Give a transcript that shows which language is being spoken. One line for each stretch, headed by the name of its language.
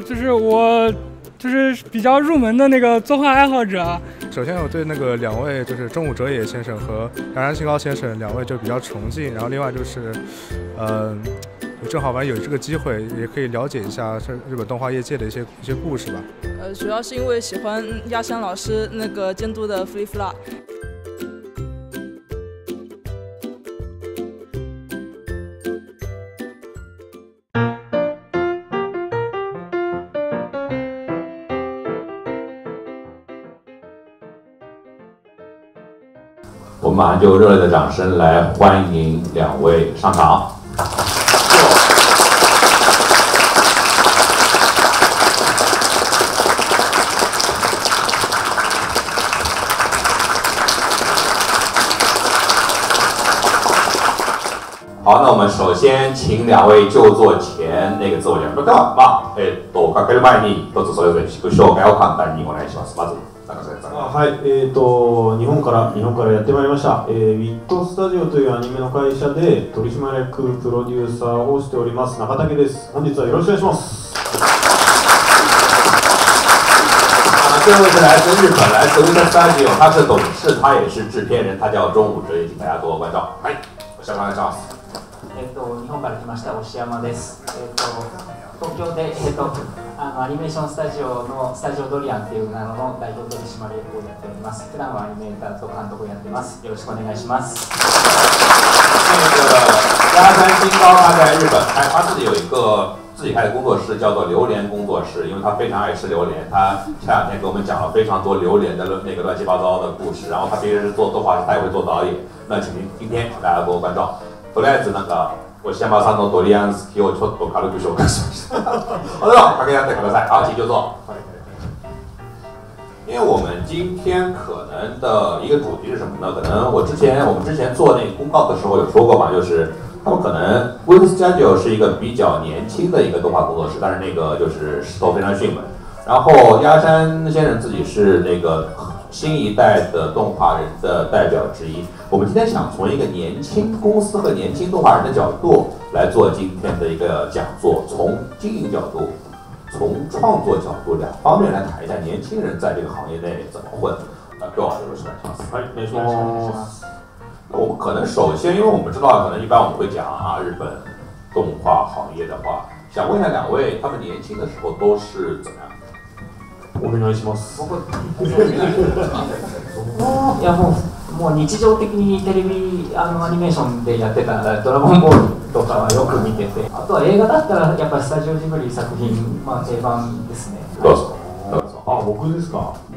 Chinese: 就是我就是比较入门的那个作画爱好者。首先我对那个两位就是中武哲也先生和冉然清高先生两位就比较崇敬，然后另外就是我正好有这个机会也可以了解一下日本动画业界的一些故事吧。主要是因为喜欢亚山老师那个监督的 Free Fly。我们就热烈的掌声来欢迎两位上场。好，那我们首先请两位就坐前那个自我介绍。
Japanese: では、まあ、かける前に一つそれぞれ自己紹介を簡単にお願いします。まず。はい、日本からやってまいりました、ウィットスタジオというアニメの会社で取締役プロデューサーをしております中竹です。本日はよろしくお願いします。
Chinese: 最后是来自日本，来自 Wither Studio， 他是董事，他也是制片人，他叫中武哲也，请大家多多关照。
Japanese: はい、お願いします。日本から来ました押山です。東京で、アニメーションスタジオのスタジオドリアンという名の代表取締役をやっております。普段はアニメーターと監督をやってます。よろしくお願いします。
Chinese: ヤハさん、金高他在日本開發自己有一個自己开的工作室叫做榴莲工作室，因为他非常爱吃榴莲，他前两天给我们讲了非常多榴莲的那个乱七八糟的故事，然后他平时是做动画，他也会做导演。那请您今天大家多关照。
Japanese: とりあえずなんか押山さんのドリアン好きをちょっと軽く紹介しました。では掛け合ってください。
Chinese: 好，请就坐。因为我们今天可能的一个主题是什么呢？可能我们之前做那个公告的时候有说过嘛，就是他们可能 Wither Studio 是一个比较年轻的一个动画工作室，但是那个就是势头非常迅猛。然后亚山先生自己是那个新一代的动画人的代表之一。我们今天想从一个年轻公司和年轻动画人的角度来做今天的一个讲座，从经营角度、从创作角度两方面来谈一下年轻人在这个行业内怎么混。那周老师有什么想法？没错。那我们可能首先，因为我们知道，可能一般我们会讲啊，日本动画行业的话，想问一下两位，他们年轻的时候都是怎么样？
Japanese: お願いします。もう日常的にテレビアニメーションでやってたらドラゴンボールとかはよく見てて、あとは映画だったらやっぱりスタジオジブリ作品、まあ、定番ですね。どうぞ。あ、僕ですか。